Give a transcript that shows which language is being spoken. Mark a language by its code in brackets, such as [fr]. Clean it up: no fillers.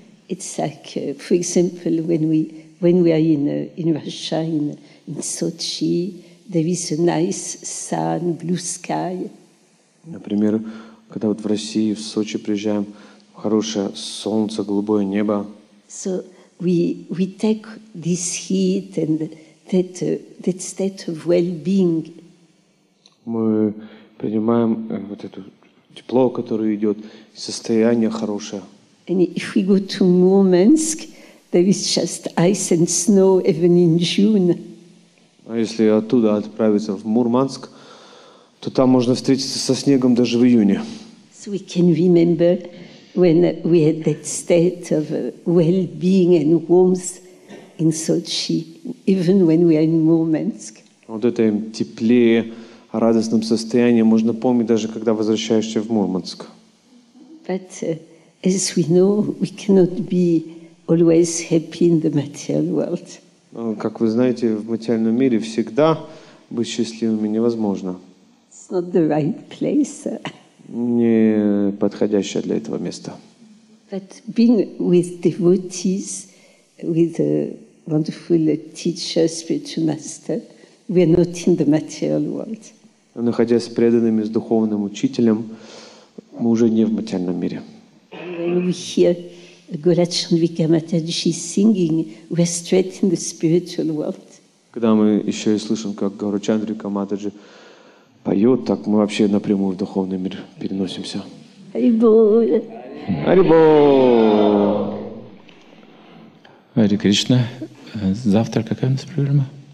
[en] It's like, for example, when we are in Russia, in Sochi, there is a nice sun, blue sky. [ru] Например, когда вот в России, в Сочи приезжаем, хорошее солнце, голубое небо. [en] So we take this heat and that state of well-being. [ru] Мы принимаем вот это тепло, которое идет, состояние хорошее. [en] And if we go to Murmansk, there is just ice and snow even in June. [ru] А если оттуда отправиться в Мурманск, то там можно встретиться со снегом даже в июне. [en] So we can remember when we had that state of well-being and warmth in Sochi, even when we are in Murmansk. [ru] Вот это теплее, о радостном состоянии можно помнить даже когда возвращаешься в Мурманск. [en] But as we know, we cannot be always happy in the material world. [ru] Как вы знаете, в материальном мире всегда быть счастливыми невозможно. [en] It's not the right place. [ru] Не подходящее для этого место. [en] But being with devotees, with a wonderful teacher, spiritual master, we are not in the material world. [ru] Находясь с преданными, с духовным учителем, мы уже не в материальном мире. [en] When we hear Gaurachandrika Mataji singing, we are straight in the spiritual world. [ru] Когда мы еще и слышим, как Гаурачандрика Матаджи поет, так мы вообще напрямую в духовный мир переносимся. Харибол! Харибол! Хари Кришна, завтра какая у нас программа?